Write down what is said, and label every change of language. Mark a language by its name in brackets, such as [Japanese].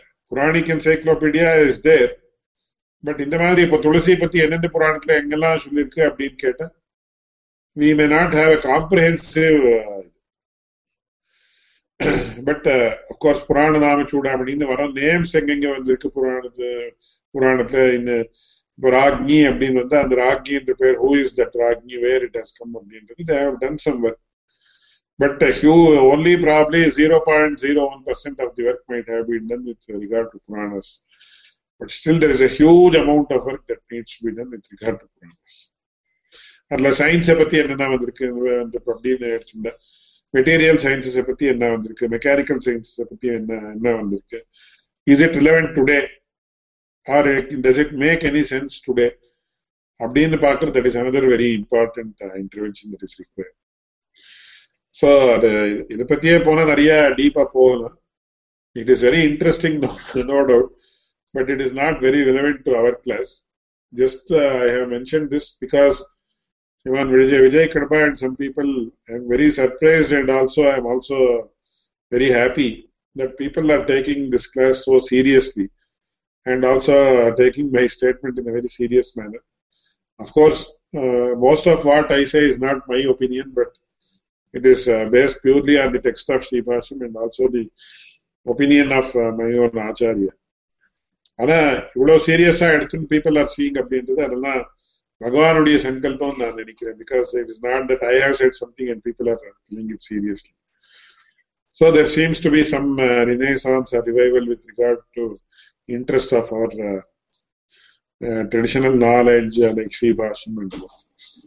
[Tamil] Puranic [English] encyclopedia is there, but [Tamil] இந்த மாதிரி இப்போ துளசி பத்தி எந்தெந்த புராணத்துல எங்கெல்லாம் சொல்லியிருக்கு அப்படின்னு கேட்ட [English] We may not have a comprehensive. [Tamil] But of course புராண நாம சூட அப்படின்னு வர நேம்ஸ் எங்கெங்க வந்திருக்கு புராணத்து புராணத்துல இந்த இப்போ ராக்னி அப்படின்னு வந்து அந்த ராக்னின்ற பேர் [English] who is that Ragni where it has come [Tamil] அப்படின்றது [English] They have done some work. But only probably 0.01% of the work might have been done with regard to Puranas. But still there is a huge amount of work that needs to be done with regard to Puranas. [Tamil] அதுல science பத்தி என்னென்ன வந்திருக்கு, material sciences பத்தி என்ன வந்திருக்கு, [English] mechanical sciences பத்தி என்ன என்ன வந்திருக்கு, is it relevant today or does it make any sense today [Tamil] அப்படின்னு பார்க்கறது [English] That is another very important intervention that is required. [Tamil] So அது இதை பத்தியே போனா நிறைய டீப்பா போகணும். [English] It is very interesting no doubt, but it is not very relevant to our class. Just I have mention this because even Vijay Kadapa and some people I am very surprised and also I am also very happy that people are taking this class so seriously and also taking my statement in a very serious manner. Of course most of what I say is not my opinion, but it is based purely on the text of shrIbhAShyam and also the opinion of my own acharya. [Tamil] ana ivlo serious ah eduthun [English] people are seeing [Tamil] appindrathu adala bhagavanudeya sankalpam na nenikiren, [English] because it is not that I have said something and people are taking it seriously. So there seems to be some renaissance or revival with regard to interest of our traditional knowledge like shrIbhAShyam and those things.